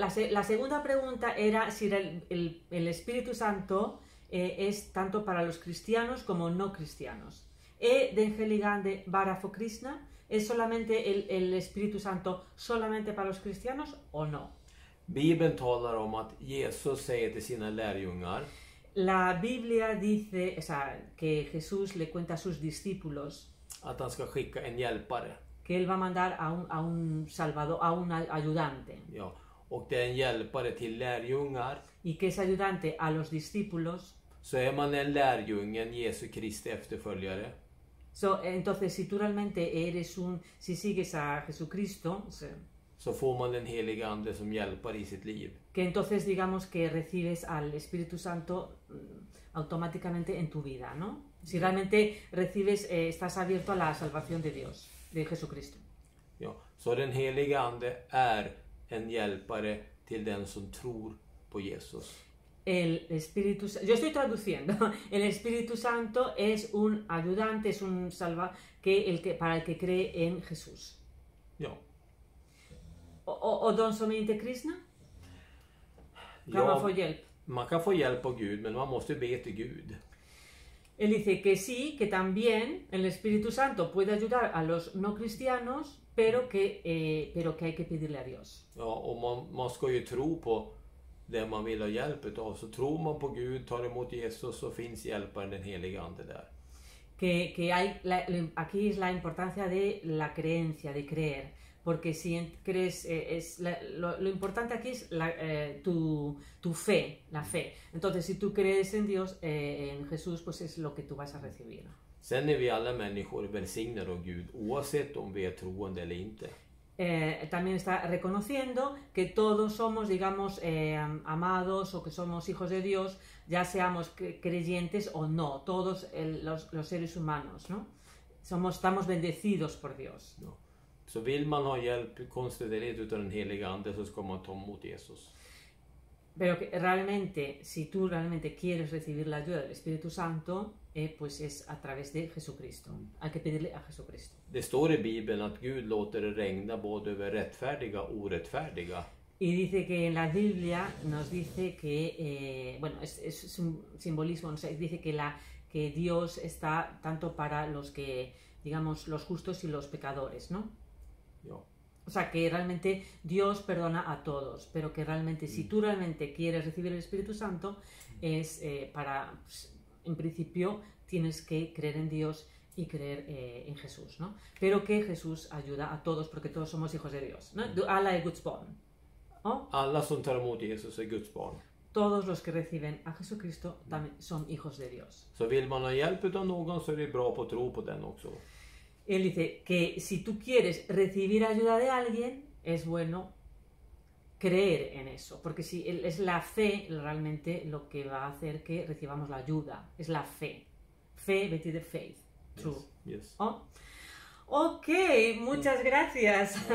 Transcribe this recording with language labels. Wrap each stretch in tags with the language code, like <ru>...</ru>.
<es>La segunda pregunta era si el Espíritu Santo es tanto para los cristianos como no cristianos.</es> <sv>¿Es de heliga ande bara för kristna?</sv> <es>¿Es solamente el Espíritu Santo solamente para los cristianos o no?</es> <sv>Bibeln talar om att Jesus säger till sina lärjungar.</sv> <es>La Biblia dice, o sea, que Jesús le cuenta a sus discípulos</es> <sv>att han ska skicka en hjälpare.</sv> <es>Que él va a mandar a un salvador, a un ayudante.</es> <sv>Ja, och det är en hjälpare till lärjungar.</sv> <es>Y que es ayudante a los discípulos.</es> <sv>Så är man en lärjunge, en Jesu Kristi efterföljare.</sv> <es>So, entonces, si tú realmente eres un, si sigues a Jesucristo, sí.</es> <sv>Så får man den heliga ande som hjälpare i sitt liv.</sv> <es>Que entonces digamos que recibes al Espíritu Santo automáticamente en tu vida, ¿no? Si realmente recibes, estás abierto a la salvación de Dios, de Jesucristo.</es> <sv>Ja, så den heliga ande är en hjälpare till den som tror på Jesus.</sv> <es>El Espíritu, yo estoy traduciendo. El Espíritu Santo es un ayudante, es un salva que el que para el que cree en Jesús.</es> <sv>Ja. O don som inte kristna? Kan man få hjälp? Man kan få hjälp av Gud, men man måste be till Gud.</sv> <es>Él dice que sí, que también el Espíritu Santo puede ayudar a los no cristianos, pero que hay que pedirle a Dios.</es> <sv>Ja, och man ska ju tro på det man vill ha hjälp av. Så tror man på Gud, tar emot Jesus, så finns hjälparen, den helige ande, där.</sv> <es>Que hay, aquí es la importancia de la creencia, de creer. Porque si crees, lo importante aquí es tu fe, la fe. Entonces, si tú crees en Dios, en Jesús, pues es lo que tú vas a recibir.</es> <sv>Sen är vi alla människor välsignade av Gud, oavsett om vi är troende eller inte.</sv> <es>También está reconociendo que todos somos, digamos, amados o que somos hijos de Dios, ya seamos creyentes o no, todos los seres humanos, ¿no? Estamos bendecidos por Dios. No.</es> <sv>Så vill man ha hjälp konstigt utan den heliga ande, så ska man ta emot Jesus.</sv> <es>Pero que realmente, si tú realmente quieres recibir la ayuda del Espíritu Santo, pues es a través de Jesucristo. Hay que pedirle a Jesucristo.</es> <sv>Det står i Bibeln att Gud låter det regna både över rättfärdiga och orättfärdiga.</sv> <es>Y dice que en la Biblia nos dice que, bueno, es un simbolismo, no sé, dice que que Dios está tanto para los que, digamos, los justos y los pecadores, ¿no?</es> <sv>Ja.</sv> <es>O sea, que realmente Dios perdona a todos, pero que realmente si tú realmente quieres recibir el Espíritu Santo, es para, pues, en principio tienes que creer en Dios y creer en Jesús, ¿no? Pero que Jesús ayuda a todos porque todos somos hijos de Dios, ¿no?</es> <sv>Alla är Guds barn. Alla som tar emot Jesus är Guds barn.</sv> <es>Todos los que reciben a Jesucristo también son hijos de Dios.</es> <sv>Så vill man ha hjälp utan någon, så är det bra på att tro på den också.</sv> <es>Él dice que si tú quieres recibir ayuda de alguien, es bueno creer en eso. Porque si es la fe realmente lo que va a hacer que recibamos la ayuda. Es la fe. Fe,</es> <sv>betyder de</sv> <en>faith. True. Yes.</en> <es>Oh. Ok, muchas gracias.</es>